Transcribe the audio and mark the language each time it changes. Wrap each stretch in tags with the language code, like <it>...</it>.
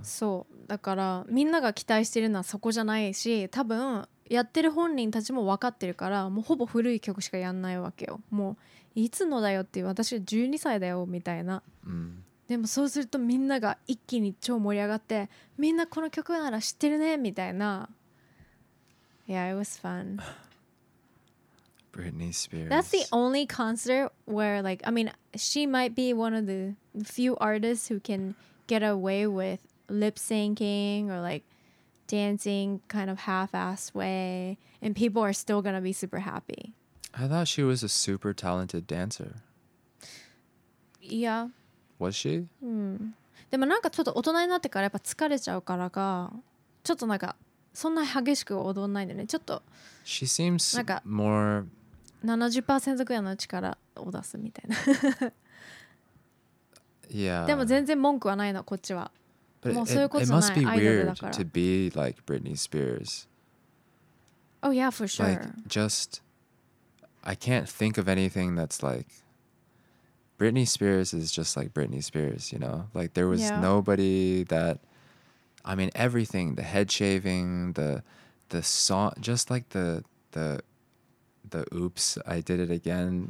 <ja>そう、だからみんなが期待してるのはそこじゃないし、多分やってる本人たちも分かってるから、もうほぼ古い曲しかやんないわけよ。もういつのだよっていう、私12歳だよみたいな。うん。でもそうするとみんなが一気に超盛り上がって、みんなこの曲なら知ってるねみたいな。</ja> <en>Yeah, it was fun. Britney Spears. That's the only concert where, like, I mean, she might be one of the few artists who can get away with lip syncing or like dancing kind of half-ass way, and people are still gonna be super happy. I thought she was a super talented dancer. Yeah. Was she?</en> <ja>でもなんかちょっと大人になってからやっぱ疲れちゃうからか、ちょっとなんかそんな激しく踊んないんだよね。ちょっと</ja> <en>She seems なんか more</en> <ja>70% ぐらいの力を出すみたいな。</ja> <en>Yeah.</en> <ja>でも全然文句はないのこっちは。</ja> <en>But、</en> <ja>もうそういうことない。</ja> <en>It must be weird to be like Britney Spears. Oh yeah, for sure. Like just I can't think of anything that's like. Britney Spears is just like Britney Spears, you know? Like, there was、yeah. nobody that... I mean, everything, the head shaving, the song, just like the oops, I did it again.</en>